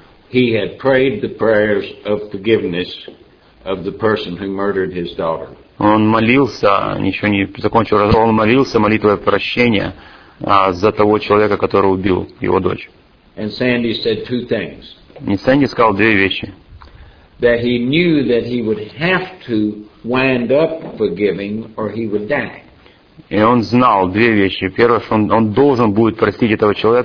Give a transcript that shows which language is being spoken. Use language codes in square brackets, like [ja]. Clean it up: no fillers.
[en] he had prayed the prayers of forgiveness of the person who murdered his daughter. [ru] Он молился, еще не закончил разговор, он молился молитвой прощения за того человека, который убил его дочь. [en] And Sandy said two things. [ru] И Сэнди сказал две вещи. [en] That he knew that he would have to wind up forgiving or he would die. [ru] И он знал две вещи. Первое, что он должен будет простить этого человека.